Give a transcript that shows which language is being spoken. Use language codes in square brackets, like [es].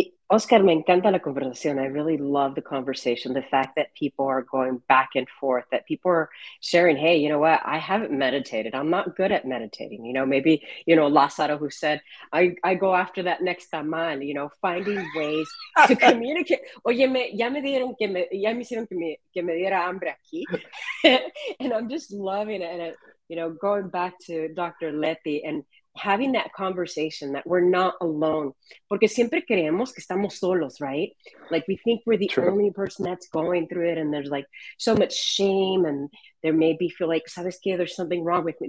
[es] Oscar, me encanta la conversación. [en] I really love the conversation, the fact that people are going back and forth, that people are sharing, hey, you know what, I haven't meditated. I'm not good at meditating. You know, maybe, you know, Lazaro, who said, I go after that next tamal, you know, finding ways to communicate. [es] Oye, ya me hicieron que me diera hambre aquí. [en] And I'm just loving it. And, you know, going back to Dr. Lithi and having that conversation that we're not alone. [es] Porque siempre creemos que estamos solos, [en] right? Like we think we're the only person that's going through it, and there's like so much shame, and there may be feel like, [es] sabes que, [en] there's something wrong with me.